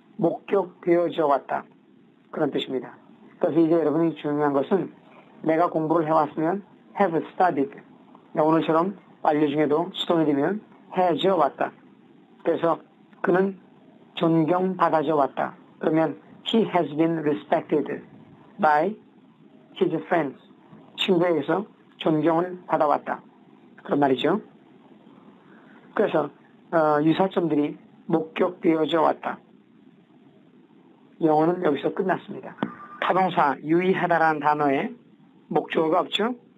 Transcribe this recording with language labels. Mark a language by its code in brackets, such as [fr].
[ko] 목격되어져 왔다. 그런 뜻입니다. 그래서 이제 여러분이 중요한 것은 내가 공부를 해왔으면 [en] have studied. [ko] 오늘처럼 완료 중에도 수동이 되면 해져 왔다. 그래서 그는 존경받아져 왔다. 그러면 [en] he has been respected by his friends. [ko] 친구에게서 존경을 받아왔다. 그런 말이죠. 그래서 유사점들이 목격되어져 왔다. 영어는 여기서 끝났습니다. 타동사 유의하다라는 단어에 목적어가 없죠.